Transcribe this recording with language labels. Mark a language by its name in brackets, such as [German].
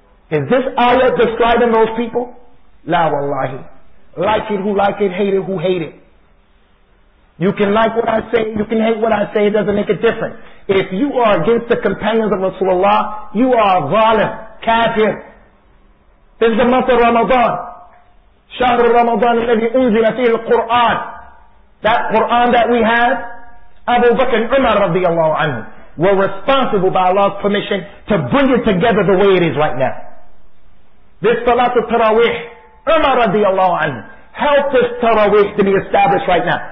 [English] Is this ayat describing those people? La wallahi. Like it who like it, hate it who hate it. You can like what I say, you can hate what I say, it doesn't make a difference. If you are against the companions of Rasulullah, you are zalim, kafir. This is the month of Ramadan. Shahr Ramadan [Arabic] الذي أنزل فيه القرآن. [English] That Quran that we have, Abu Bakr and Umar radiallahu anhu were responsible by Allah's permission to bring it together the way it is right now. This Salat al-Tarawih, Umar radiallahu anhu, help this Tarawih to be established right now.